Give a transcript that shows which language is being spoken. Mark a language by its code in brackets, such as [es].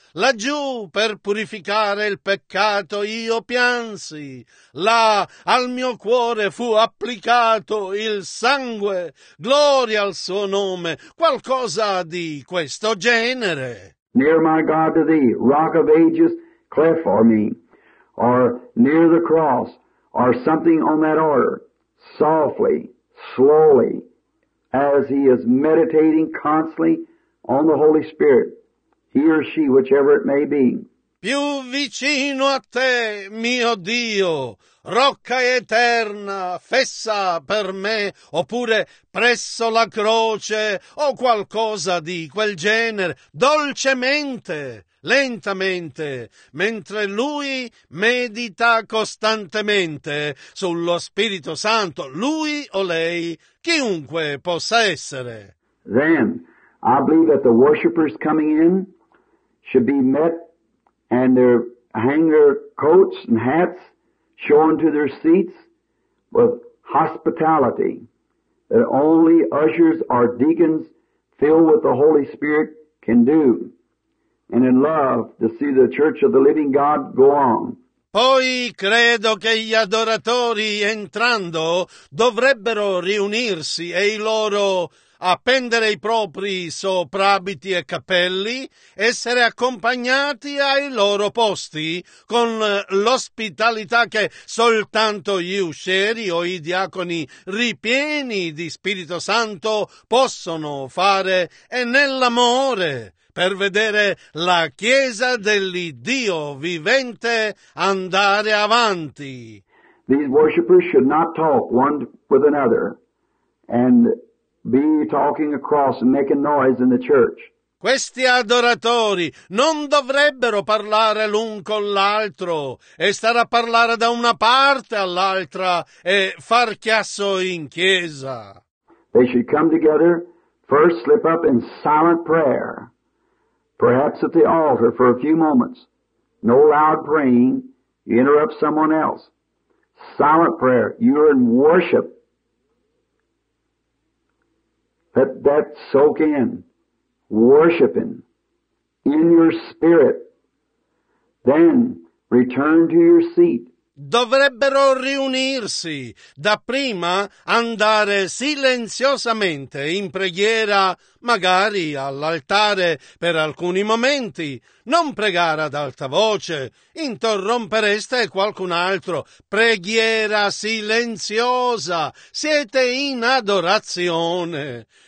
[it] laggiù per purificare il peccato io piansi, là al mio cuore fu applicato il sangue, gloria al suo nome, qualcosa di questo genere. [en] Near my God to thee, rock of ages, cleft for me, or near the cross, or something on that order, softly, slowly, as he is meditating constantly on the Holy Spirit, he or she, whichever it may be. [it] Più vicino a te, mio Dio, rocca eterna, fessa per me, oppure presso la croce, o qualcosa di quel genere, dolcemente, lentamente, mentre lui medita costantemente sullo Spirito Santo, lui o lei, chiunque possa essere. [en] Then, I believe that the worshippers coming in should be met and their hanger coats and hats shown to their seats with hospitality, that only ushers or deacons filled with the Holy Spirit can do, and in love to see the Church of the Living God go on. [it] Poi credo che gli adoratori entrando dovrebbero riunirsi e i loro appendere i propri soprabiti e cappelli, essere accompagnati ai loro posti con l'ospitalità che soltanto gli usceri o i diaconi ripieni di Spirito Santo possono fare, e nell'amore per vedere la Chiesa dell'Iddio vivente andare avanti. [en] These worshippers should not talk one with another and be talking across and making noise in the church. [it] Questi adoratori non dovrebbero parlare l'un con l'altro e stare a parlare da una parte all'altra e far chiasso in chiesa. [en] They should come together, first slip up in silent prayer, perhaps at the altar for a few moments. No loud praying, you interrupt someone else. Silent prayer, you're in worship. Let that soak in, worshiping in your spirit. Then return to your seat. [it] Dovrebbero riunirsi, dapprima andare silenziosamente in preghiera, magari all'altare per alcuni momenti, non pregare ad alta voce, interrompereste qualcun altro, preghiera silenziosa, siete in adorazione.